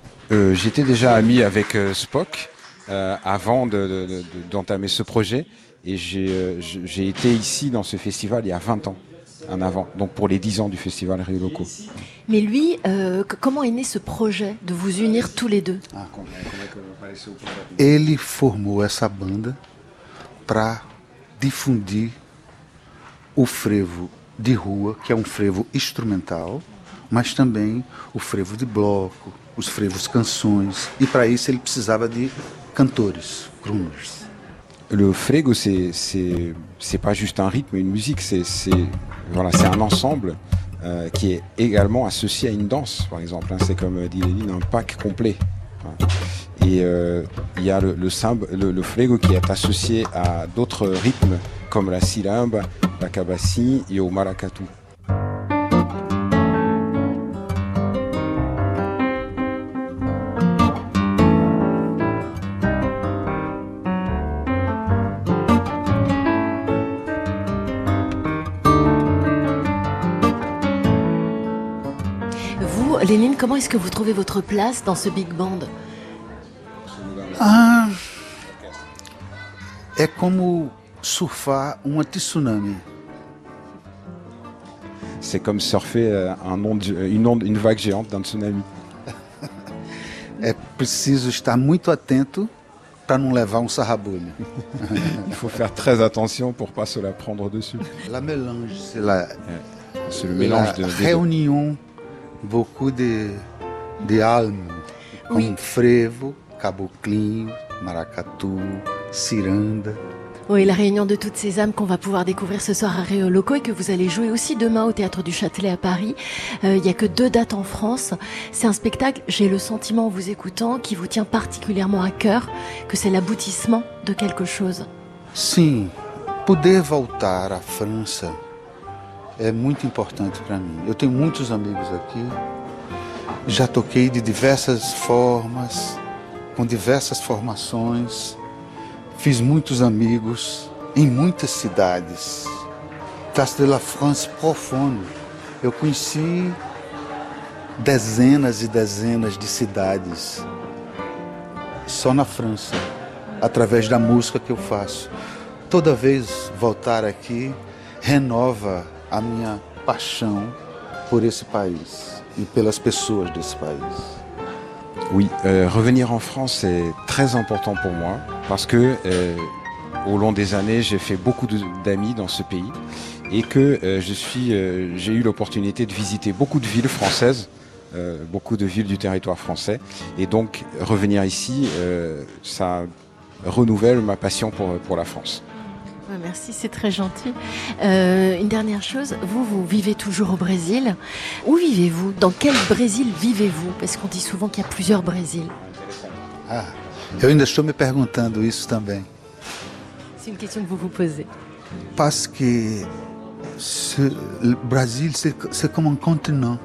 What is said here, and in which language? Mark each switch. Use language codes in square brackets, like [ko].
[fr] J'étais déjà ami avec Spock avant d'entamer ce projet et j'ai été ici dans ce festival il y a 20 ans en avant, donc pour les 10 ans du festival Rio Loco. Mais lui, comment est né ce projet de vous unir tous les deux? [pt] Ele formou essa banda para difundir o frevo de rua, que é um frevo instrumental, mas também o frevo de bloco, os frevos canções, e para isso ele precisava de cantores, crooners. [fr] Le frego c'est pas juste un rythme, une musique, c'est un ensemble qui est également associé à une danse, par exemple, hein, c'est comme dit Lénine, un pack complet. Et il y a le samba, le frego qui est associé à d'autres rythmes comme la silamba, la cabassi et au maracatu. Vous, Lénine, comment est-ce que vous trouvez votre place dans ce big band? [pt] É como surfar um tsunami. [fr] C'est comme surfer une vague géante d'un tsunami. [pt] É preciso estar muito atento para não levar um sarrabulho. [fr] Il faut faire très attention pour pas se la prendre dessus. La mélange, c'est le mélange de réunion beaucoup de âmes, oui. Comme frevo, caboclinho, maracatu, ciranda. Oui, la réunion de toutes ces âmes qu'on va pouvoir découvrir ce soir à Rio Loco et que vous allez jouer aussi demain au Théâtre du Châtelet à Paris. Il n'y a que 2 dates en France. C'est un spectacle, j'ai le sentiment en vous écoutant, qui vous tient particulièrement à cœur, que c'est l'aboutissement de quelque chose. [pt] Sim, poder voltar à França é muito importante para mim. Eu tenho muitos amigos aqui. Já toquei de diversas formas, com diversas formações. Fiz muitos amigos em muitas cidades. [fr] Place de la France profonde. [pt] Eu conheci dezenas e dezenas de cidades só na França, através da música que eu faço. Toda vez voltar aqui renova a minha paixão por esse país e pelas pessoas desse país. [fr] Oui, revenir en France est très important pour moi parce que au long des années, j'ai fait beaucoup d'amis dans ce pays et que j'ai eu l'opportunité de visiter beaucoup de villes françaises, beaucoup de villes du territoire français. Et donc, revenir ici, ça renouvelle ma passion pour la France. Merci, c'est très gentil. Une dernière chose, vous vivez toujours au Brésil. Où vivez-vous? Dans quel Brésil vivez-vous? Parce qu'on dit souvent qu'il y a plusieurs Brésils. [pt] Ah, eu ainda estou me perguntando isso também. [fr] C'est une question que vous vous posez. Parce que le Brésil, c'est comme un continent.